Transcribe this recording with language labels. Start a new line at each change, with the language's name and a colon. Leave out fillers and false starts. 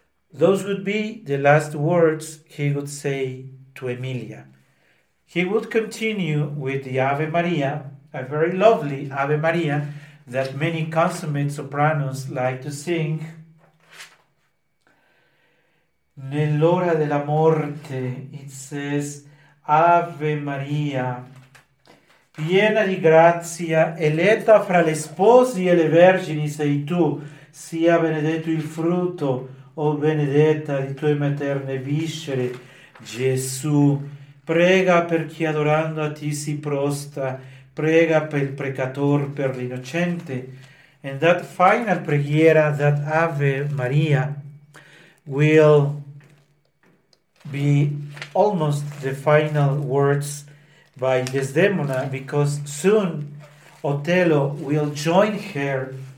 English: Those would be the last words he would say to Emilia. He would continue with the Ave Maria, a very lovely Ave Maria that many consummate sopranos like to sing.
Italian: Nell'ora della morte,
English: it says,
Italian: Ave Maria, piena di grazia, eletta fra le sposi e le vergini sei tu, sia benedetto il frutto, o benedetta di tue materne viscere, Gesù, prega per chi adorando a ti si prosta, prega per il precator, per l'innocente.
English: And that final preghiera, that Ave Maria, will be almost the final words by Desdemona, because soon Otello will join her.